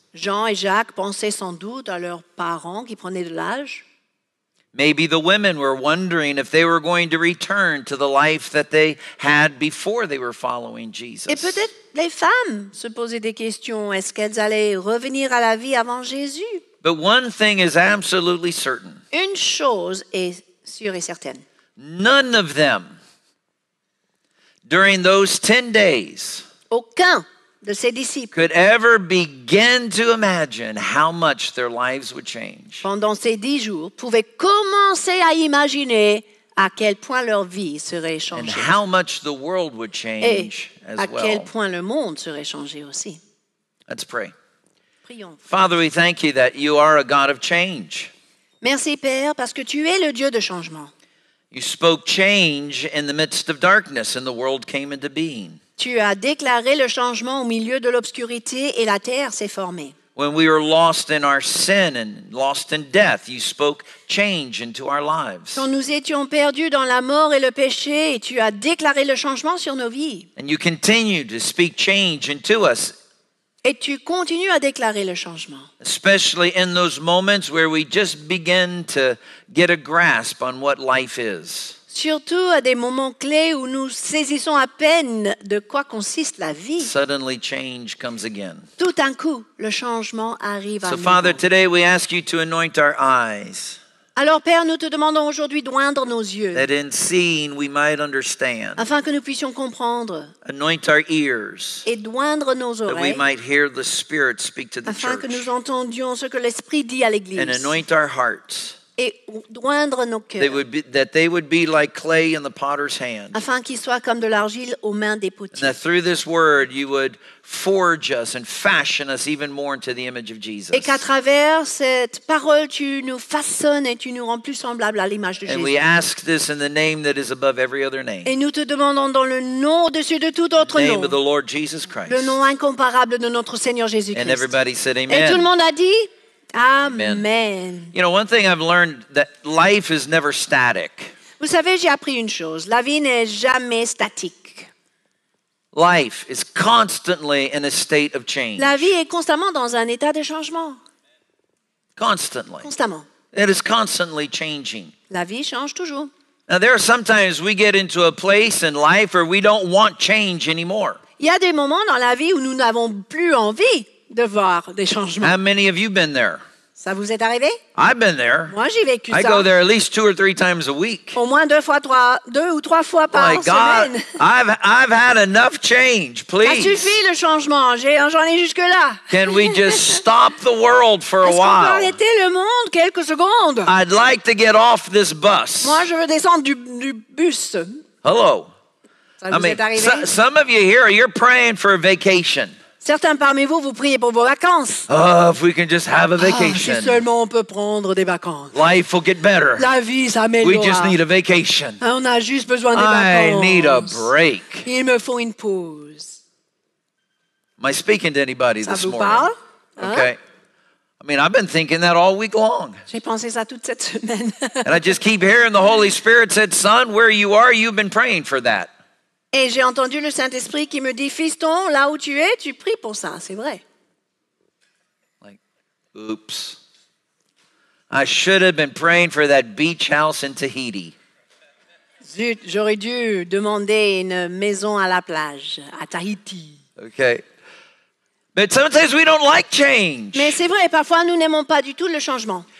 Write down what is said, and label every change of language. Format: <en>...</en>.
<fr>Jean et Jacques pensaient sans doute à leurs parents qui prenaient de l'âge.</fr> <en>Maybe the women were wondering if they were going to return to the life that they had before they were following Jesus.</en> <fr>Et peut-être les femmes se posaient des questions. Est-ce qu'elles allaient revenir à la vie avant Jésus?</fr> <en>But one thing is absolutely certain.</en> <fr>Une chose est sûre et certaine.</fr> <en>None of them, during those 10 days,</en> <fr>aucun de ses disciples</fr> <en>could ever begin to imagine how much their lives would change.</en> <fr>Pendant ces 10 jours, pouvaient commencer à imaginer à quel point leur vie serait changée.</fr> <en>And how much the world would change</en> <fr>et</fr> <en>as well.</en> <fr>À quel point le monde serait changé aussi.</fr> <en>Let's pray.</en> <fr>Prions.</fr> <en>Father, we thank you that you are a God of change.</en> <fr>Merci Père, parce que tu es le Dieu de changement.</fr> <en>You spoke change in the midst of darkness and the world came into being.</en> <fr>Tu as déclaré le changement au milieu de l'obscurité et la terre s'est formée.</fr> <en>When we were lost in our sin and lost in death, you spoke change into our lives.</en> <fr>Quand nous étions perdus dans la mort et le péché, tu as déclaré le changement sur nos vies.</fr> <en>And you continue to speak change into us.</en> <fr>Et tu continues à déclarer le changement.</fr> <en>Especially in those moments where we just begin to get a grasp on what life is.</en> <fr>Surtout à des moments clés où nous saisissons à peine de quoi consiste la vie.</fr> <en>Suddenly change comes again.</en> <fr>Tout d'un coup, le changement arrive</fr> <en>so</en> <fr>à nous.</fr> <en>So Father, today we ask you to anoint our eyes.</en> <fr>Alors Père, nous te demandons aujourd'hui d'oindre nos yeux.</fr> <en>That in seeing we might understand.</en> <fr>Afin que nous puissions comprendre.</fr> <en>Anoint our ears.</en> <fr>Et d'oindre nos oreilles.</fr> <en>That we might hear the Spirit speak to the</en> <fr>afin</fr> <en>church.</en> <fr>Afin que nous entendions ce que l'Esprit dit à l'Église.</fr> <en>And anoint our hearts.</en> <fr>Et d'oindre nos cœurs.</fr> <en>That they would be like clay in the potter's hand.</en> <fr>Afin qu'ils soient comme de l'argile aux mains des potiers.</fr> <en>And that through this word you would forge us and fashion us even more into the image of Jesus.</en> <fr>Et qu'à travers cette parole tu nous façonnes et tu nous rends plus semblables à l'image de</fr> <en>and</en> <fr>Jésus.</fr> <en>And we ask this in the name that is above every other name.</en> <fr>Et nous te demandons dans le nom au-dessus de tout autre</fr> <en>name</en> <fr>nom.</fr> <en>Of the Lord Jesus Christ.</en> <fr>Le nom incomparable de notre Seigneur Jésus-Christ.</fr> <en>And everybody said amen.</en> <fr>Et tout le monde a dit amen.</fr> <en>You know, one thing I've learned that life is never static.</en> <fr>Vous savez, j'ai appris une chose. La vie n'est jamais statique.</fr> <en>Life is constantly in a state of change.</en> <fr>La vie est constamment dans un état de changement.</fr> <en>Constantly.</en> <fr>Constamment.</fr> <en>It is constantly changing.</en> <fr>La vie change toujours.</fr> <en>Now, there are sometimes we get into a place in life where we don't want change anymore.</en> <fr>Il y a des moments dans la vie où nous n'avons plus envie de voir des changements.</fr> <en>How many of you been there?</en> <fr>Ça vous est arrivé?</fr> <en>I've been there.</en> <fr>Moi, j'ai vécu</fr> <en>I</en> <fr>ça.</fr> <en>Go there at least two or three times a week.</en> <fr>Au moins deux ou trois fois par</fr> <en>My God,</en> <fr>semaine.</fr> <en>I've had enough change, please.</en> <fr>Ça suffit le changement. J'en ai jusque là.</fr> <en>Can we just stop the world for</en> <fr>Est-ce</fr> <en>a while?</en> <fr>Est-ce qu'on peut arrêter le monde quelques secondes?</fr> <en>I'd like to get off this bus.</en> <fr>Moi, je veux descendre du bus.</fr> <en>Hello.</en> <fr>Ça vous est arrivé?</fr> <en>Some of you here, you're praying for a vacation.</en> <fr>Certains parmi vous, vous priez pour vos vacances.</fr> <en>Oh, if we can just have a vacation.</en> <fr>Si seulement on peut prendre des vacances.</fr> <en>Life will get better.</en> <fr>La vie s'améliore.</fr> <en>We just need a vacation.</en> <fr>On a juste besoin des vacances.</fr> <en>I need a break.</en> <fr>Il me faut une pause.</fr> <en>Am I speaking to anybody</en> <fr>ça</fr> <en>this</en> <fr>vous</fr> <en>morning?</en> <fr>Parle? Hein?</fr> <en>Okay. I mean, I've been thinking that all week long.</en> <fr>J'ai pensé ça toute cette semaine.</fr> <en>And I just keep hearing the Holy Spirit said, son, where you are, you've been praying for that.</en> <fr>Et j'ai entendu le Saint-Esprit qui me dit, fiston, là où tu es, tu pries pour ça, c'est vrai.</fr> <en>Like, oops. I should have been praying for that beach house in Tahiti.</en> <fr>Zut, j'aurais dû demander une maison à la plage, à Tahiti.</fr> <en>Okay. But sometimes we don't like change.</en> <fr>Mais c'est vrai, parfois nous n'aimons pas du tout le changement.</fr>